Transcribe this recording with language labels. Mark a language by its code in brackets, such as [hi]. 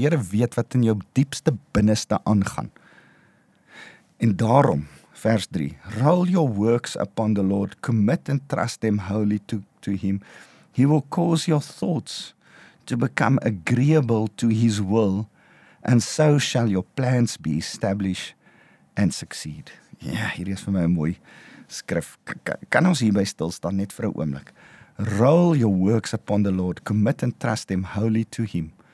[af] Die Here weet wat in jou diepste binneste aangaan. En daarom, vers 3, [en] roll your works upon the Lord, commit and trust them wholly to him. He will cause your thoughts to become agreeable to his will, and so shall your plans be established and succeed. [af] Ja, hier is vir my 'n mooi skrif. Kan ons hierby stilstaan net vir 'n oomblik? [en] Roll your works upon the Lord, commit and trust him wholly to him.